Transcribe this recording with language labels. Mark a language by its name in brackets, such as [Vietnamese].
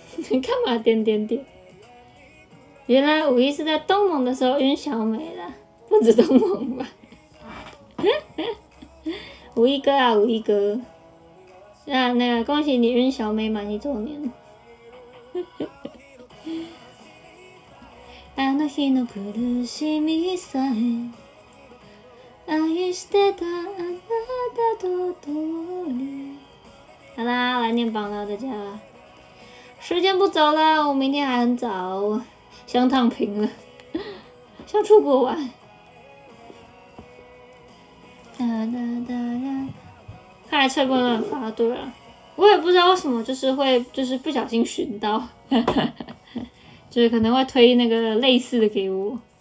[Chinese] 你干嘛点点点？原来五一是在东盟的时候晕小美了，不止东盟吧？五一哥啊，五一哥，那个恭喜你晕小美满一周年。 [Japanese] あの日の苦しみさえ愛してたあなたと共に。 [Chinese] 好啦，来念榜了，大家。时间不早了，我明天还很早，想躺平了，想出国玩。哒哒哒哒，看来吹风乱发，对啊，我也不知道为什么，就是会就是不小心寻到，就是可能会推那个类似的给我。